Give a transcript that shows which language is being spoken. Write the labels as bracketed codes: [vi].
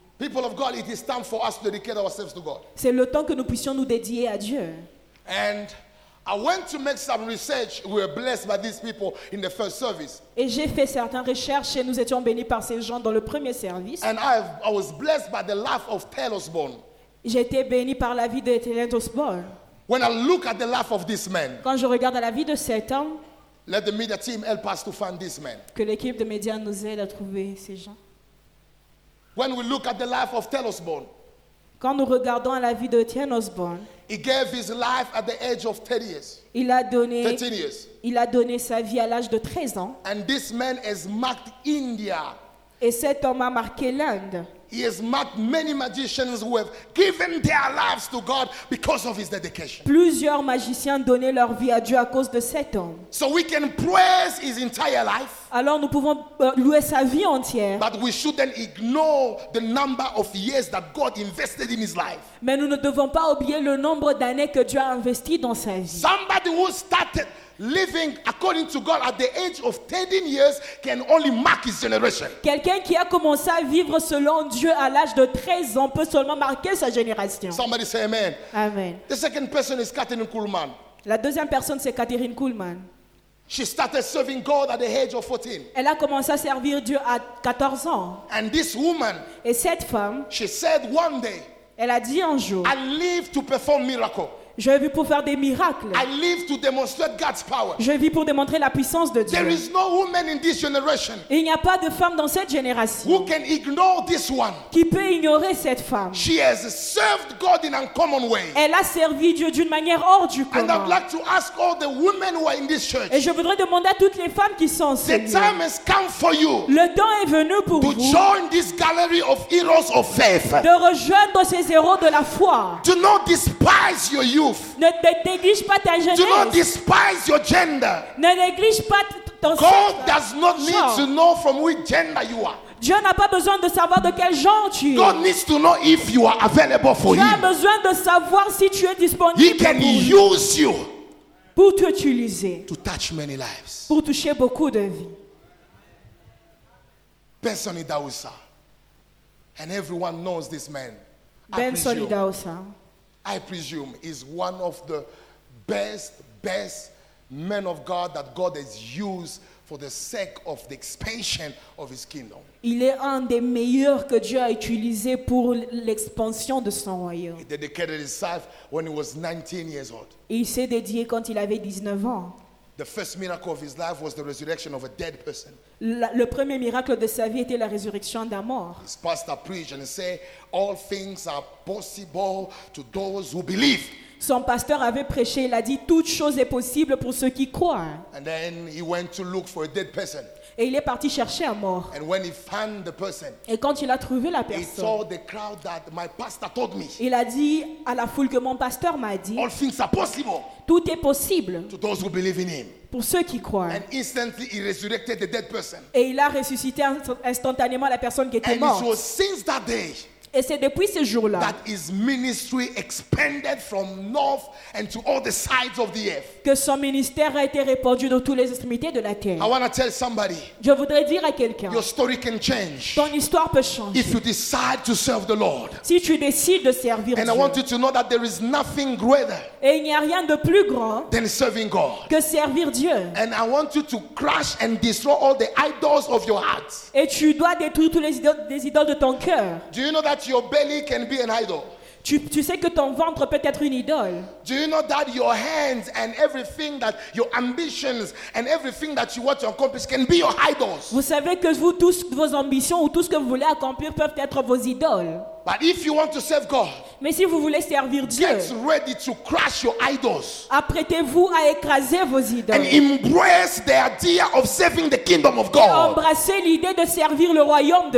[en] People of God, it is time for us to dedicate ourselves to God. [fr] C'est le temps que nous puissions nous dédier à Dieu. [en] And I went to make some research. We were blessed by these people in the first service. [fr] Et j'ai fait certaines recherches et nous étions bénis par ces gens dans le premier service. [en] And I was blessed by the life of TL Obsborn. [fr] J'ai été béni par la vie de TL Obsborn. [en] When I look at the life of this man, [fr] quand je regarde la vie de cet homme, [en] let the media team help us to find this man. [fr] Que l'équipe de médias nous aide à trouver ces gens. [en] When we look at the life of TL Obsborn, [fr] quand nous regardons la vie de TL Obsborn, [en] he gave his life at the age of 30 years. [fr] Il a donné, [en] 13 years. [fr] Il a donné sa vie à l'âge de 13 ans. [en] And this man has marked India. [fr] Et cet homme a marqué l'Inde. [en] He has marked many magicians who have given their lives to God because of his dedication. [fr] Plusieurs magiciens donnaient leur vie à Dieu à cause de cet homme. [en] So we can praise his entire life. [fr] Alors nous pouvons louer sa vie entière. [en] But we shouldn't ignore the number of years that God invested in his life. [fr] Mais nous ne devons pas oublier le nombre d'années que Dieu a investi dans sa vie. [en] Somebody who started living according to God at the age of 13 years can only mark his generation. [fr] Quelqu'un qui a commencé à vivre selon Dieu à l'âge de 13 ans peut seulement marquer sa génération. [en] Somebody say amen. Amen. The second person is Katheryn Kulman. [fr] La deuxième personne c'est Katheryn Kulman. [en] She started serving God at the age of 14. [fr] Elle a commencé à servir Dieu à 14 ans. [en] And this woman, [fr] et cette femme, [en] she said one day, [fr] elle a dit un jour, [en] I live to perform miracles. [fr] Je vis pour faire des miracles. [en] I live to demonstrate God's power. [fr] Je vis pour démontrer la puissance de Dieu. [en] There is no woman in this generation. [fr] Il n'y a pas de femme dans cette génération. [en] Who can ignore this one? [fr] Qui peut ignorer cette femme? [en] She has served God in uncommon ways. [fr] Elle a servi Dieu d'une manière hors du commun. [en] And I'd like to ask all the women who are in this church. [fr] Et je voudrais demander à toutes les femmes qui sont ici. [en] The time has come for you. [fr] Le temps est venu pour [en] to [fr] vous. [en] To join this gallery of heroes of faith. [fr] De rejoindre ces héros de la foi. [en] Do not despise your youth. [fr] Ne néglige pas ta jeunesse. [en] Do not despise your gender. [fr] Ne néglige pas ton sexe. [en] God does not need to know from which gender you are. [fr] Dieu n'a pas besoin de savoir de quel genre tu es. [en] God needs to know if you are available for [fr] Dieu a besoin de savoir si tu es disponible. [en] He can use you [fr] pour t'utiliser. [en] To touch many lives. [fr] Pour toucher beaucoup de vies. [en] Benson Idahosa. And everyone knows this man. Benson Idahosa. I presume is one of the best men of God that God has used for the sake of the expansion of his kingdom. [fr] Il est un des meilleurs que Dieu a utilisé pour l'expansion de son royaume. [en] He dedicated himself when he was 19 years old. [fr] Il s'est dédié quand il avait 19 ans. [en] The first miracle of his life was the resurrection of a dead person. [fr] Le premier miracle de sa vie était la résurrection d'un mort. [en] His pastor preached and said, "All things are possible to those who believe." [fr] Son pasteur avait prêché, il a dit, toute chose est possible pour ceux qui croient. [en] And then he went to look for a dead person. [fr] Et il est parti chercher un mort. [en] And when he found the person, [fr] et quand il a trouvé la personne, [en] he saw the crowd that my pastor told me. [fr] Il a dit à la foule que mon pasteur m'a dit, [en] all things are possible. [fr] Tout est possible [en] to those who believe in him. [fr] Pour ceux qui croient. [en] And instantly he resurrected the dead person. [fr] Et il a ressuscité instantanément la personne qui était [en] and [fr] morte. [en] It was since that day, [fr] et c'est depuis ce jour-là [en] that his ministry expanded from north and to all the sides of the earth. [fr] Que son ministère a été répandu dans toutes les extrémités de la terre. [en] I want to tell somebody, [fr] je voudrais dire à quelqu'un, [en] your story can change, [fr] ton histoire peut changer, [en] if you decide to serve the Lord. [fr] Si tu décides de servir [en] and [fr] Dieu. [en] I want you to know that there is nothing greater, [fr] et il n'y a rien de plus grand [en] than serving God. [fr] Que servir Dieu. [en] And I want you to crush and destroy all the idols of your heart. [fr] Et tu dois détruire tous les idoles de ton cœur. [en] Do you know that your belly can be an idol? [fr] Tu sais que ton ventre peut être une idole. [en] Do you know that your hands and everything that your ambitions and everything that you want to accomplish can be your idols? [fr] Vous savez que vous tous vos ambitions ou tout ce que vous voulez accomplir peuvent être vos idoles. [en] But if you want to serve God, [fr] mais si vous voulez servir Dieu, [en] get ready to crush your idols. [fr] Apprêtez-vous à écraser vos idoles. [en] And embrace the idea of serving the kingdom of God. [fr] Et embrassez l'idée de servir le royaume de